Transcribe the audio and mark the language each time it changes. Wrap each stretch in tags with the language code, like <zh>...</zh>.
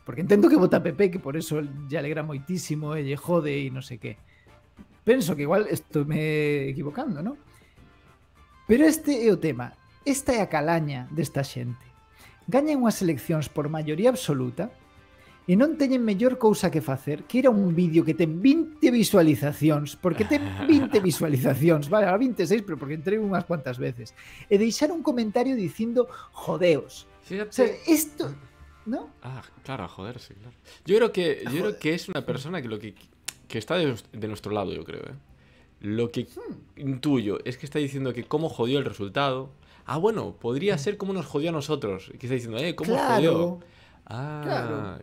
<es>Porque entiendo que vota PP, que por eso le alegra muchísimo, le jode y no sé qué. Penso que igual estoy equivocando, ¿no?</es> <gl>Pero este é o tema. Esta é a calaña desta xente. Gañan unhas eleccións por maioría absoluta e non teñen mellor cousa que facer que ir a un vídeo que ten 20 visualizacións, porque ten 20 visualizacións, vale, ahora 26, pero porque entrei unhas cuantas veces, e deixar un comentario dicindo jodeos.</gl> <es>Fíjate. O sea, esto, ¿no? Ah, claro, a joderse, claro. Yo creo que es una persona que lo que está de nuestro lado, yo creo, ¿eh? Lo que intuyo es que está diciendo que cómo jodió el resultado. Ah, bueno, podría ser cómo nos jodió a nosotros. Que está diciendo, ¿cómo claro, os jodió? Ah, claro.</es>